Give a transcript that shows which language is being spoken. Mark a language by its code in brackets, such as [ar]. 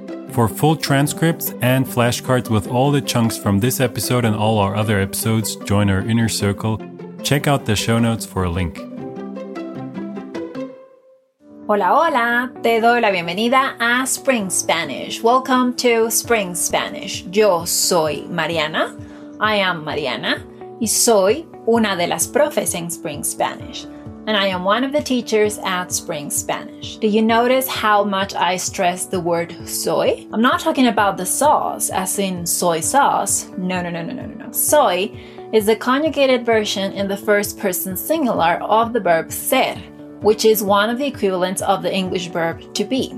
[en] For full transcripts and flashcards with all the chunks from this episode and all our other episodes, join our inner circle. Check out the show notes for a link. [es] Hola, hola, te doy la bienvenida a Spring Spanish. [en] Welcome to Spring Spanish. [es] Yo soy Mariana. [en] I am Mariana. [es] Y soy una de las profes en Spring Spanish. [en] And I am one of the teachers at Spring Spanish. Do you notice how much I stress the word soy? I'm not talking about the sauce, as in soy sauce. No. Soy is the conjugated version in the first person singular of the verb ser, which is one of the equivalents of the English verb to be.